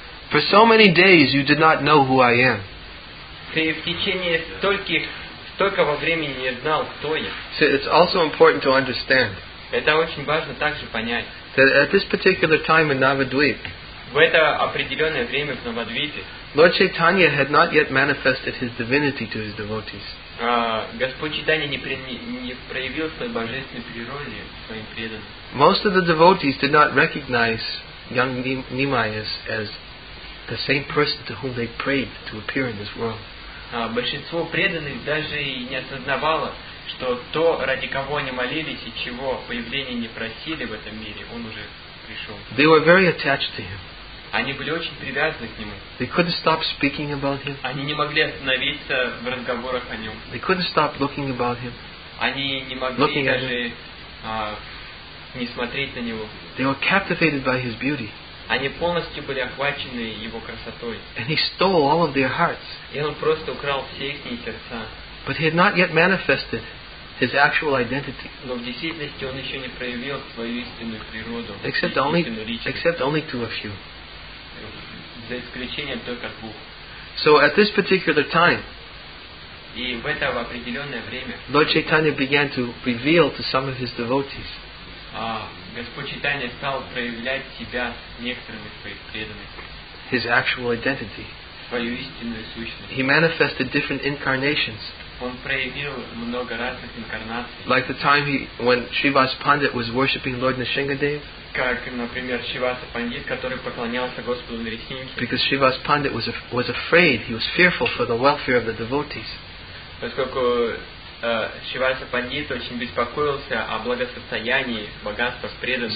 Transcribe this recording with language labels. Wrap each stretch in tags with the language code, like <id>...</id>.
<en>For so many days you did not know who I am.</en> <ru>Ты в течение столько времени не знал, кто я.</ru> <en>So it's also important to understand.</en> <ru>Это очень важно также понять.</ru> <en>That at this particular time in Navadvip.</en> <ru>В это определенное время в Навадвипе.</ru> <en>Lord Chaitanya had not yet manifested his divinity to his devotees.</en> <ru>Господь Чайтанья не проявил свою божественную природу своим преданным.</ru> <en>Most of the devotees did not recognize young Nimai as the same person to whom they prayed to appear in this world.</en> <ru>Большинство преданных даже и не осознавало, что то, ради кого они молились и чего появления не просили в этом мире, он уже пришел.</ru> <en>They were very attached to him.</en> <ru>Они были очень привязаны к нему.</ru> <en>They couldn't stop speaking about him.</en> <ru>Они не могли остановиться в разговорах о нем.</ru> <en>They couldn't stop looking about him.</en> <ru>Они не могли даже не смотреть на него.</ru> <en>They were captivated by his beauty.</en> <ru>Они полностью были охвачены его красотой.</ru> <en>And he stole all of their hearts.</en> <ru>И он просто украл все их сердца.</ru> <en>But he had not yet manifested his actual identity.</en> <ru>Но в действительности он еще не проявил свою истинную природу.</ru> <en>Except only to a few.</en> <ru>За исключением только двух.</ru> <en>So at this particular time,</en> <ru>и в это определенное время,</ru> <en>Lord Chaitanya began to reveal to some of his devotees.</en> <ru>Господь Читания стал проявлять себя некоторым из своих преданных.</ru> <en>His actual identity.</en> <ru>Свою истинную сущность.</ru> <en>He manifested different incarnations.</en> <ru>Он проявил много разных инкарнаций.</ru> <en>Like the time when Shrivas Pandit was worshipping Lord Nrisimhadev.</en> <ru>Как, например, Шриваса Пандит, который поклонялся Господу Нрисимхе.</ru> <en>Because Shrivas Pandit was afraid, he was fearful for the welfare of the devotees.</en> <ru>Поскольку Шриваса Пандит очень беспокоился о благосостоянии богатства преданных.</ru>